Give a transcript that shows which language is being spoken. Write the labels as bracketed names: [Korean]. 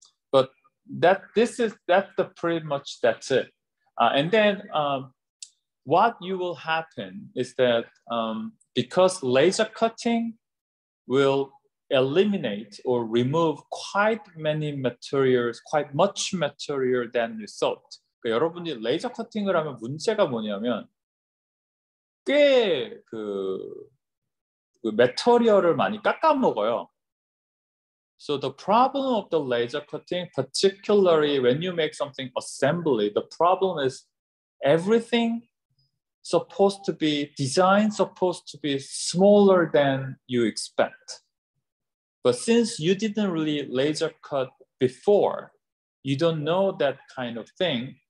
[English] But that's pretty much it. What you will happen is that because laser cutting will eliminate or remove quite many materials, quite much material than you thought. [Korean] 그러니까 여러분이 레이저 커팅을 하면 문제가 뭐냐면 꽤 그 material을 많이 깎아먹어요. [English] So the problem of the laser cutting, particularly when you make something assembly, the problem is everything supposed to be designed, supposed to be smaller than you expect. But since you didn't really laser cut before, you don't know that kind of thing.